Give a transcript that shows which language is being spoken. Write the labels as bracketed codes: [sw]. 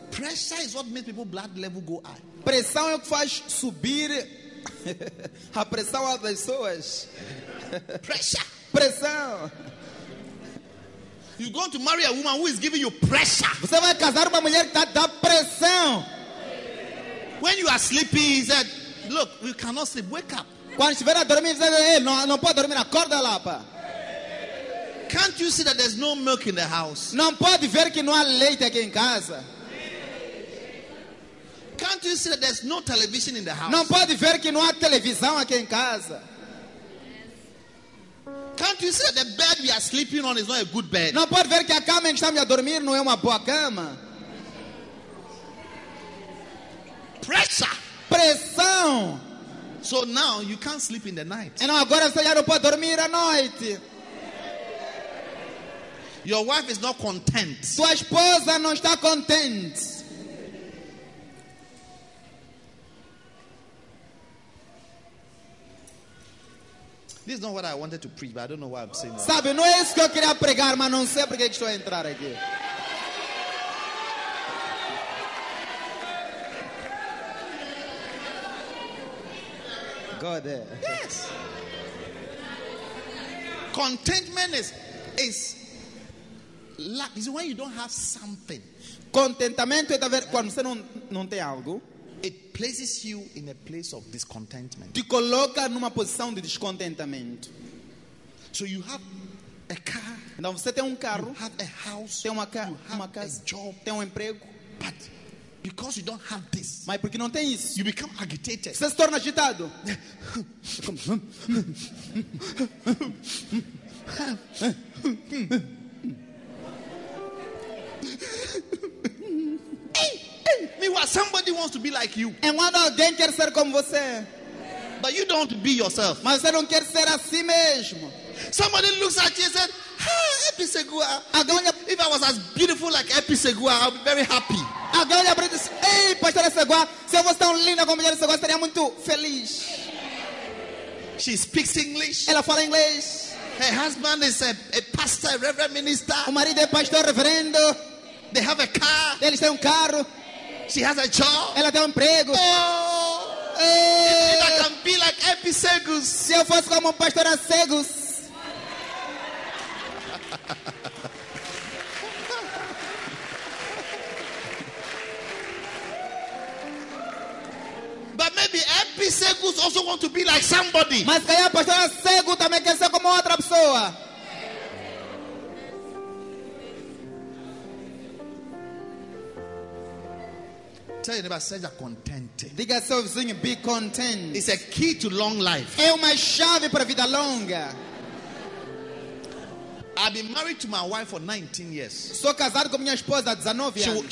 [en] Pressure is what makes people's blood level go high. [pt] Pressão é o que faz subir a pressão das pessoas. [en] Pressure. [pt] Pressão. [en] You're going to marry a woman who is giving you pressure. [pt] Você vai casar uma mulher que está dando pressão. [en] When you are sleepy, he said, look, you cannot sleep. Wake up. [pt] Quando estiver a dormir, você diz, não, não pode dormir, acorda lá, pá. [en] Can't you see that there's no milk in the house? [pt] Não pode ver que não há leite aqui em casa. [en] Can't you see that there's no television in the house? [pt] Não pode ver que não há televisão aqui em casa. [en] Can't you see that the bed we are sleeping on is not a good bed? [pt] Não pode ver que a cama em que estamos a dormir não é uma boa cama. [en] Pressure. [pt] Pressão. [en] So now you can't sleep in the night. [pt] E não, agora você já não pode dormir à noite. [en] Your wife is not content. [pt] Sua esposa não está contente. [en] This is not what I wanted to preach, but I don't know why I'm saying that. [pt] Sabe, não é isso que eu queria pregar, mas não sei porque estou a entrar aqui. [en] God, yes. Contentment is lack. Is when you don't have something. [pt] Contentamento é haver quando você não tem algo. [en] It places you in a place of discontentment. [pt] Te coloca numa posição de descontentamento. [en] So you have a car. [pt] Então você tem um carro. [en] You have a house. [pt] Tem uma casa. [en] You have [pt] uma casa, [en] a job. [pt] Tem um emprego. [en] But because you don't have this. [pt] Mas porque não tem isso. [en] You become agitated. [pt] Você se torna agitado. [en] Meanwhile, somebody wants to be like you. [pt] E quando alguém quer ser como você. [en] But you don't be yourself. [pt] Mas você não quer ser a si mesmo. [en] Somebody looks at you and says, ah, Epi Segura. If I was as beautiful like Epi Segura, I'd be very happy. [pt] Agora olha para ele e diz, ei, pastora Segura, se eu fosse tão linda como a mulher Segura, estaria muito feliz. [en] She speaks English. [pt] Ela fala inglês. [en] Her husband is a pastor, a reverend minister. [pt] O marido é pastor, reverendo. [en] They have a car. [pt] Eles têm um carro. [en] She has a job. [pt] Ela tem um emprego. Oh, ei, [en] if I can be like Epi Segus. [pt] Se eu fosse como pastora Segus. [en] But maybe Epi Segus also want to be like somebody. [pt] Mas que a pastora Segu também quer ser como outra pessoa. [en] Tell your neighbor, [pt] seja contente. Diga ao seu vizinho, [en] be content. It's a key to long life. [pt] É uma chave para a vida longa. [en] I've been married to my wife for 19 years. [pt] Sou casado com minha esposa há 19 anos.